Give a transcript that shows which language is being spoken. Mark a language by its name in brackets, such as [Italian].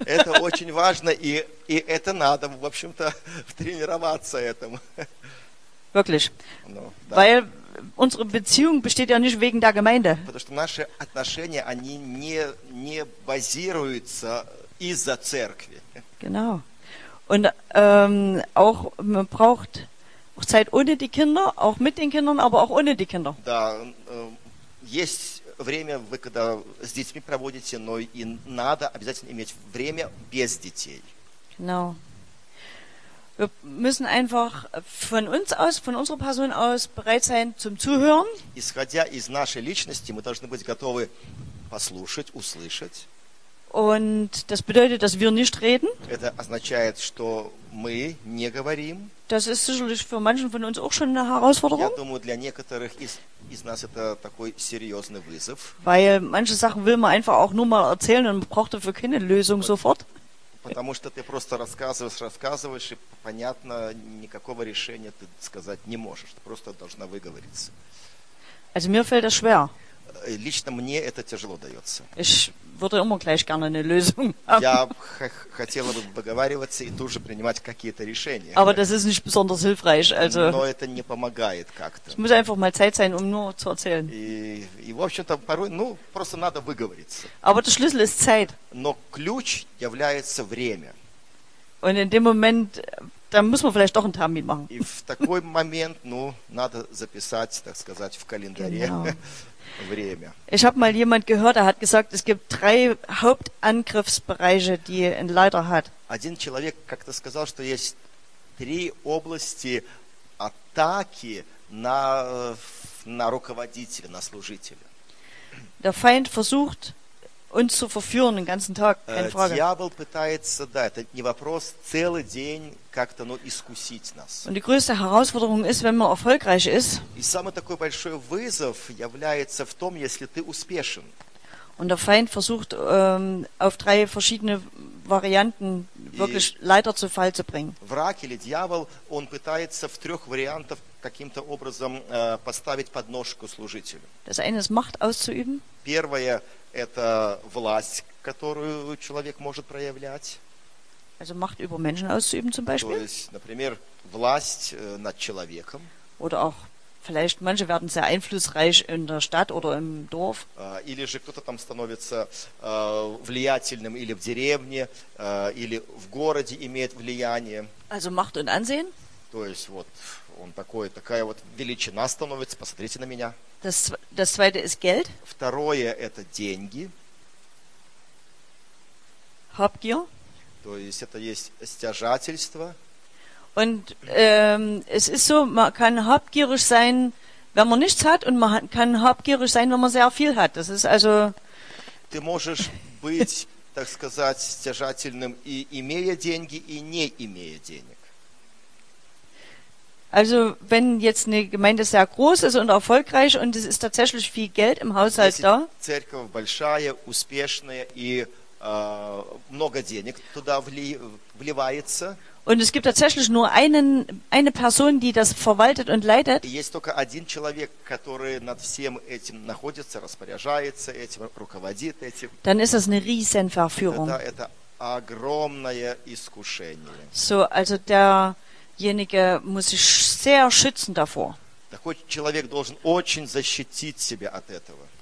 [Russian] Это очень важно и это надо, в общем-то, тренироваться этому. [German] Wirklich. [Russian] Ну, да. [German] Weil unsere Beziehung besteht ja nicht wegen der Gemeinde. [Russian] Потому что наши отношения, они не базируются из-за церкви. [German] Genau. Und auch man braucht auch Zeit ohne die Kinder, auch mit den Kindern, aber auch ohne die Kinder. [Russian] Да, есть время, вы когда с детьми проводите, но и надо обязательно иметь время без детей. [German] Genau. Wir müssen einfach von uns aus, von unserer Person aus bereit sein zum Zuhören. [Russian] Исходя из нашей личности, мы должны быть готовы послушать, услышать. [German] Und das bedeutet, dass wir nicht reden. [Russian] Это означает, что мы не говорим. [German] Das ist sicherlich für manchen von uns auch schon eine Herausforderung. [Russian] Я думаю, для некоторых из нас это такой серьезный вызов. [German] Weil manche Sachen will man einfach auch nur mal erzählen und man braucht dafür keine Lösung sofort. [Russian] Потому что ты просто рассказываешь, и понятно, никакого решения ты сказать не можешь. Ты просто должна выговориться. [German] Also mir fällt das schwer. [Russian] Лично мне это тяжело дается. [German] Ich würde immer gleich gerne eine Lösung haben. [Russian] Я хотела бы выговариваться и тут же принимать какие-то решения. [German] Aber das ist nicht besonders hilfreich, also. [Russian] Но это не помогает как-то. [German] Es muss einfach mal Zeit sein, um nur zu erzählen. [Russian] И в общем-то порой, просто надо выговориться. [German] Aber der Schlüssel ist Zeit. [Russian] Но ключ является время. [German] Und in dem Moment, da muss man vielleicht doch einen Termin machen. [Russian] И в такой момент, надо записать, так сказать, в календаре. [German] Genau. [Russian] Время. [German] Ich habe mal jemand gehört, der hat gesagt, es gibt drei Hauptangriffsbereiche, die ein Leiter hat. [Russian] Один человек как-то сказал, что есть три области атаки на руководителя, на служителя. [German] Der Feind versucht uns zu verführen den ganzen Tag, keine Frage. [Russian] Дьявол пытается, да, это не вопрос, целый день как-то, искусить нас. [German] Und die größte Herausforderung ist, wenn man erfolgreich ist. [Russian] И самый такой большой вызов является в том, если ты успешен. [German] Und der Feind versucht, auf drei verschiedene Varianten wirklich Leiter zu Fall zu bringen. [Russian] Враг или дьявол, он пытается в трех вариантах каким-то образом поставить подножку служителю. [German] Das eine ist, Macht auszuüben. [Russian] Первое, это власть, которую человек может проявлять. [German] Also Macht über Menschen auszuüben, zum Beispiel. [Russian] То есть, например, власть над человеком. [German] Oder auch, vielleicht manche werden sehr einflussreich in der Stadt oder im Dorf. [Russian] Или же кто-то там становится влиятельным или в деревне, или в городе имеет влияние. [German] Also Macht und Ansehen. [Russian] То есть, вот, он такой, такая вот величина становится, посмотрите на меня. [German] Das zweite ist Geld. [Russian] Второе – это деньги. [German] Habgier. [Russian] То есть это есть стяжательство. [German] Und es ist so, man kann habgierig sein, wenn man nichts hat, und man kann habgierig sein, wenn man sehr viel hat. Das ist also... [Russian] Ты можешь быть, так сказать, стяжательным, и имея деньги, и не имея денег. [German] Also wenn jetzt eine Gemeinde sehr groß ist und erfolgreich und es ist tatsächlich viel Geld im Haushalt da. [Russian] Церковь большая, успешная и много денег туда вливается. [German] Und es gibt tatsächlich nur eine Person, die das verwaltet und leitet. [Russian] Есть только один человек, который над всем этим находится, распоряжается этим, руководит этим. [German] Dann ist das eine riesen Verführung. [Russian] Это огромное искушение. [German] So, also derjenige muss sich sehr schützen davor. [Russian] Такой человек должен очень защитить себя от этого.